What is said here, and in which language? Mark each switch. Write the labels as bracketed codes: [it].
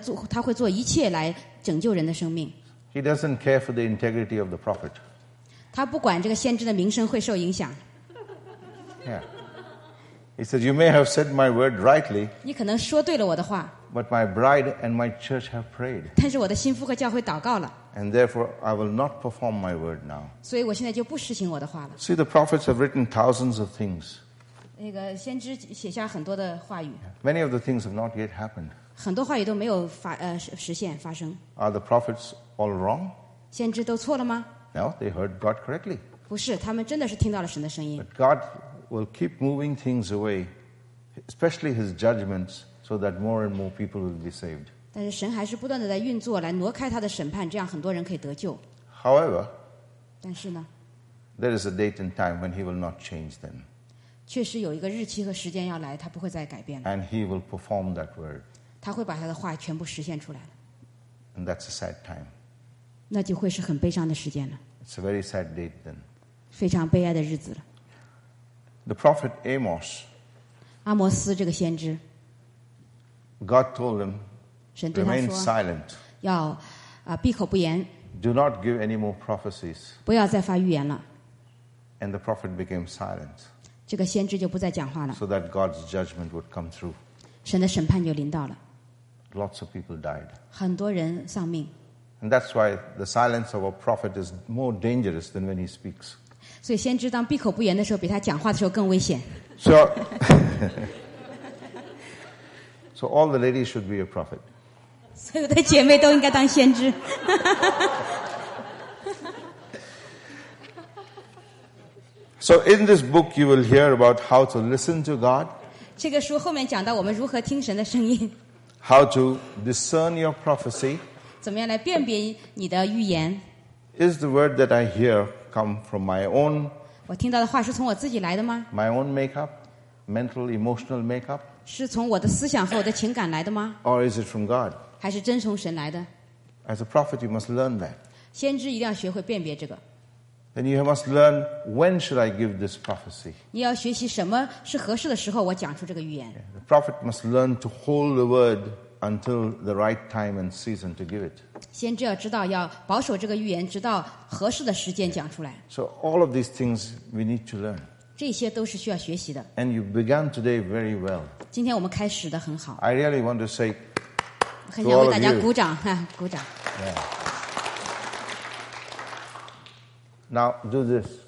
[zh] 他会做一切来拯救人的生命。 [en] He doesn't care for the integrity of the prophet. [zh] 他不管这个先知的名声会受影响。 [en] Yeah. He said, "You may have said my word rightly." [zh] 你可能说对了我的话。 [en] But my bride and my church have prayed. [zh] 但是我的心腹和教会祷告了。 [en] And therefore, I will not perform my word now. [zh] 所以我现在就不实行我的话了。 [en] See, the prophets have written thousands of things. [zh] 那个先知写下很多的话语。 [en] Many of the things have not yet happened. [zh] 很多话语都没有实现发生。 [en] Are the prophets all wrong? [zh] 先知都错了吗 [en] ？No, they heard God correctly. [zh] 不是，他们真的是听到了神的声音。 [en] But God will keep moving things away, especially His judgments. So that more and more people will be saved. [zh] 但是神还是不断的在运作，来挪开他的审判，这样很多人可以得救。 [en] However, [zh] 但是呢 [en] ，there is a date and time when he will not change them. [zh] 确实有一个日期和时间要来，他不会再改变了。 [en] And he will perform that word. [zh] 他会把他的话全部实现出来 [en] 了。And that's a sad time. [zh] 那就会是很悲伤的时间了。 [en] It's a very sad date then. [zh] 非常悲哀的日子了。 [en] The prophet Amos. [zh] 阿摩斯这个先知。 [en] God told him. [zh] 神对他说。 [en] Remain silent. [zh] 要闭口不言。 [en] Do not give any more prophecies. [zh] 不要再发预言了。 [en] And the prophet became silent. [zh] 这个先知就不再讲话了。 [en] So that God's judgment would come through. [zh] 神的审判就临到了。 [en] Lots of people died. [zh] 很多人丧命。 [en] And that's why the silence of a prophet is more dangerous than when he speaks. [zh] 所以先知当闭口不言的时候，比他讲话的时候更危险。 [en] So, so all the ladies should be a prophet. [zh] 所有的姐妹都应该当先知。 [en] So in this book, you will hear about how to listen to God. [zh] 这个书后面讲到我们如何听神的声音。 [en] How to discern your prophecy. [zh] 怎么样来辨别你的预言。 [en] Is the word that I hear come from my own? [zh] 我听到的话是从我自己来的吗？ [en] My own makeup, mental, emotional makeup. [zh] 是从我的思想和我的情感来的吗？ [en] Or is it from God? [zh] 还是真从神来的？ [en] As a prophet, you must learn that. [zh] 先知一定要学会辨别这个。 [en] Then you must learn when should I give this prophecy. [zh] 你要学习什么是合适的时候我讲出这个预言。 [en] The prophet must learn to hold the word until the right time and season to give it. [zh] 先知要知道要保守这个预言直到合适的时间讲出来。 [en] So all of these things we need to learn. [zh] 这些都是需要学习的。 [en] And you began today very well. [zh] 今天我们开始得很好。 [en] I really want to say to all of you. [zh] 很想为大家鼓掌，鼓掌。 [en] Now do this.